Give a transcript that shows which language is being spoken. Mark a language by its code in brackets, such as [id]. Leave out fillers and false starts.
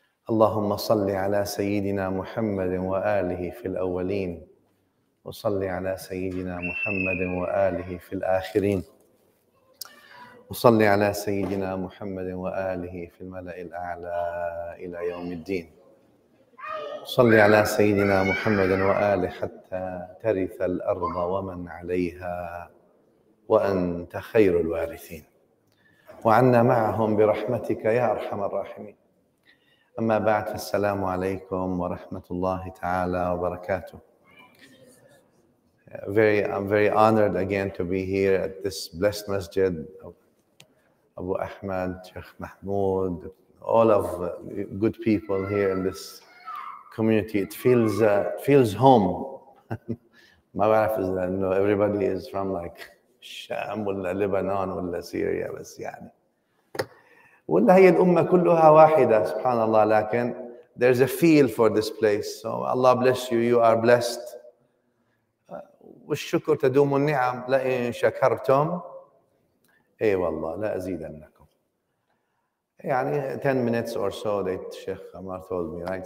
[ar] اللهم صل على سيدنا محمد وآله في الأولين، وصل على سيدنا محمد وآله في الآخرين، وصل على سيدنا محمد وآله في الملأ الأعلى إلى يوم الدين، صل على سيدنا محمد وآله حتى ترث الأرض ومن عليها وأنت خير الوارثين، وعنا معهم برحمتك يا أرحم الراحمين. أما بعد، السلام عليكم ورحمة الله تعالى وبركاته. [en] I'm very honored again to be here at this blessed masjid of Abu Ahmad, Sheikh Mahmoud, all of good people here in this community. It feels feels home. My wife is that, no, everybody is from like Sham or Lebanon or Syria, but يعني. [ar] ولا هي الأمة كلها واحدة سبحان الله، لكن [en] there's a feel for this place. So Allah bless you. You are blessed. [ar] والشكر تدوم النعم لئن شكرتم. اي والله لا أزيدنكم. [en] يعني 10 minutes or so that Sheikh Omar told me, right?